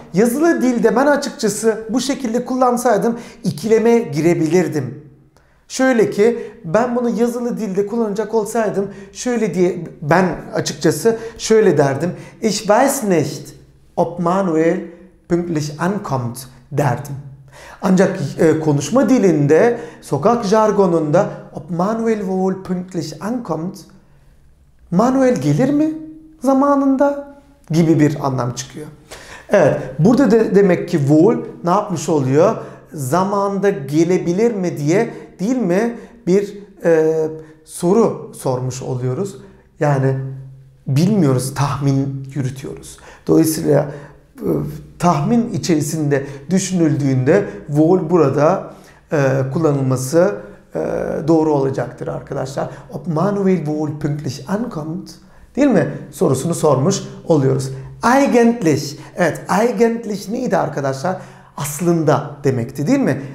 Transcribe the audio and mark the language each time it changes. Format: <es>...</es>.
<tr>Yazılı dilde ben açıkçası bu şekilde kullansaydım ikileme girebilirdim. Şöyle ki ben bunu yazılı dilde kullanacak olsaydım şöyle diye ben açıkçası şöyle derdim.</tr> <de>Ich weiß nicht, ob Manuel pünktlich ankommt</de> <tr>derdim. Ancak konuşma dilinde, sokak jargonunda</tr> <de>ob Manuel wohl pünktlich ankommt,</de> <tr>Manuel gelir mi? Zamanında gibi bir anlam çıkıyor. Evet, burada da demek ki wohl ne yapmış oluyor? Zamanda gelebilir mi diye değil mi bir soru sormuş oluyoruz. Yani bilmiyoruz, tahmin yürütüyoruz. Dolayısıyla tahmin içerisinde düşünüldüğünde wohl burada kullanılması doğru olacaktır arkadaşlar.</tr> <de>Ob Manuel wohl pünktlich ankommt?</de> <tr>Değil mi? Sorusunu sormuş oluyoruz. Eigentlich. Evet. Eigentlich neydi arkadaşlar? Aslında demekti değil mi?</tr>